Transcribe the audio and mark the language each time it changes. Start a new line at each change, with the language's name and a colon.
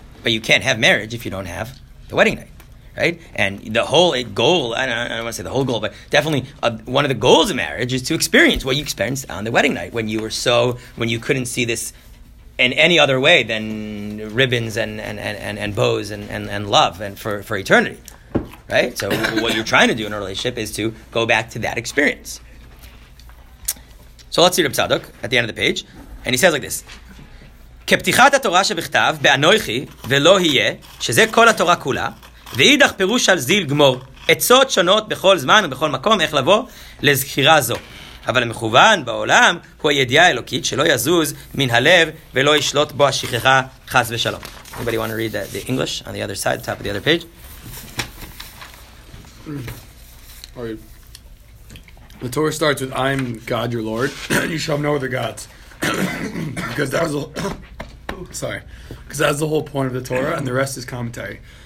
English: But you can't have marriage if you don't have the wedding night. Right? And the whole goal, I don't want to say the whole goal, but definitely one of the goals of marriage is to experience what you experienced on the wedding night when you were so, when you couldn't see this in any other way than ribbons and bows and love and for eternity. Right? So what you're trying to do in a relationship is to go back to that experience. So let's see Reb Tzadok at the end of the page. And he says like this.
Hebrew: כפתיחת התורה שבכתב, באנוכי ולא יהיה, שזה כל התורה כולה, ואידך פירוש על זיל גמור, עצות שונות בכל זמן ובכל מקום, איך לבוא לזכירה זו. אבל המכוון בעולם הוא הידיעה האלוקית שלא יזוז מן הלב ולא ישלוט בו השכחה חס ושלום.
English: Anybody want to read the English on the other side, the top of the other page? The Torah starts with, I'm God your Lord, you shall know other gods. Because that was a sorry, because that's the whole point of the Torah, and the rest is commentary.